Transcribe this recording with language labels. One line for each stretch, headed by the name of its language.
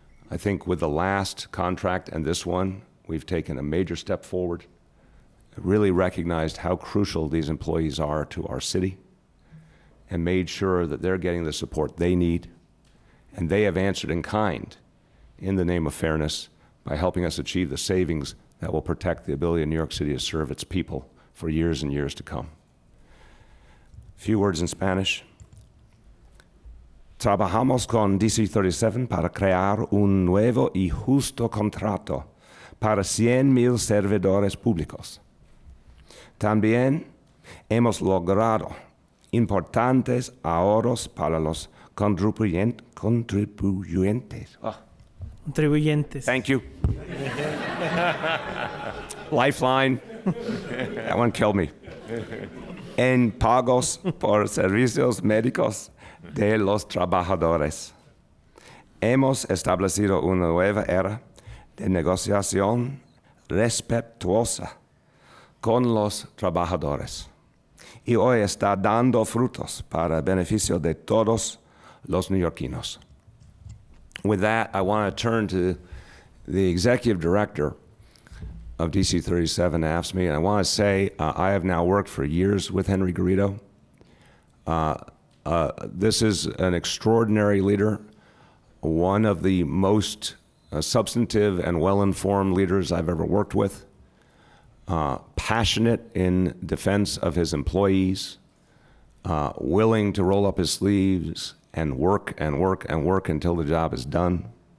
English: I think with the last contract and this one, we've taken a major step forward, really recognized how crucial these employees are to our city, and made sure that they're getting the support they need. And they have answered in kind in the name of fairness by helping us achieve the savings that will protect the ability of New York City to serve its people for years and years to come. A few words in Spanish.
Spanish: Trabajamos con DC 37 para crear un nuevo y justo contrato para 100,000 servidores públicos. También hemos logrado importantes ahorros para los contribuyentes. Oh. Contribuyentes.
English: Thank you. Lifeline. That one killed me.
Spanish: En pagos por servicios médicos de los trabajadores. Hemos establecido una nueva era de negociación respetuosa con los trabajadores. Y hoy está dando frutos para beneficio de todos los neoyorquinos.
English: With that, I want to turn to the executive director of DC 37, AFSCME, and I want to say I have now worked for years with Henry Garrido. This is an extraordinary leader, one of the most substantive and well-informed leaders I've ever worked with, passionate in defense of his employees, willing to roll up his sleeves and work and work and work until the job is done.